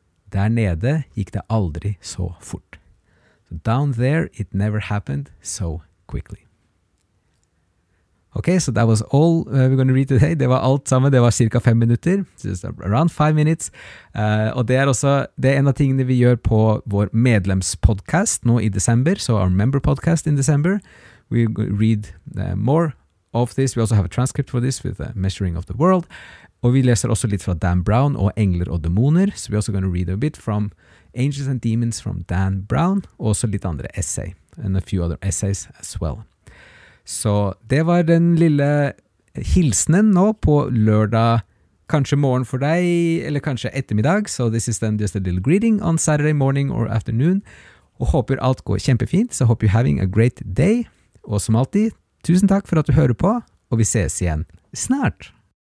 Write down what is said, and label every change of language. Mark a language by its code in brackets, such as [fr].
[no] Der nede gikk det aldri så fort. [en] Down there, it never happened so quickly. Okay, so that was all we're going to read today. [no] Det var alt sammen. Det var cirka 5 minutter. [en] Just around 5 minutes. [no] Og det også, det en av tingene vi gjør på vår medlemspodcast nå I december. [en] So our member podcast in December. We read more of this. We also have a transcript for this with the measuring of the world. [no] Og vi leser også litt fra Dan Brown og Engler og Dæmoner. [en] So we're also going to read a bit from Angels and Demons from Dan Brown, [no] også litt andre essay, [en] and a few other essays as well. [no] Så det var den lille hilsenen nå på lørdag, kanskje morgen for deg, eller kanskje ettermiddag, [en] so this is then just a little greeting on Saturday morning or afternoon, [no] og håper alt går kjempefint, [en] so hope you're having a great day, [no] og som alltid, tusen takk for at du hører på, og vi ses igjen snart!